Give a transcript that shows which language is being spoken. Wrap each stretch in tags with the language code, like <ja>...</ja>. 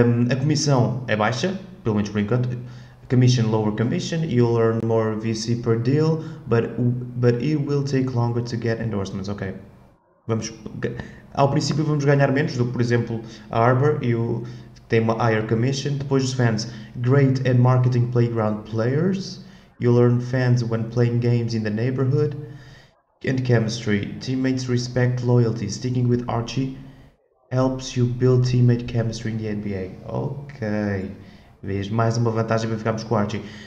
<pt>A comissão é baixa, pelo menos por enquanto.</pt> <en>Commission, lower commission, you'll earn more VC per deal, but it will take longer to get endorsements.</en> <pt>Ok, vamos ao princípio, vamos ganhar menos do que, por exemplo, a Harbor, tem uma</pt> <en>higher commission.</en> <pt>Depois, os</pt> <en>fans, great and marketing playground players, you'll earn fans when playing games in the neighborhood. And chemistry, teammates respect loyalty, sticking with Archie helps you build teammate chemistry in the NBA.</en> <pt>Ok, vês, mais uma vantagem para ficarmos com Archie.</pt>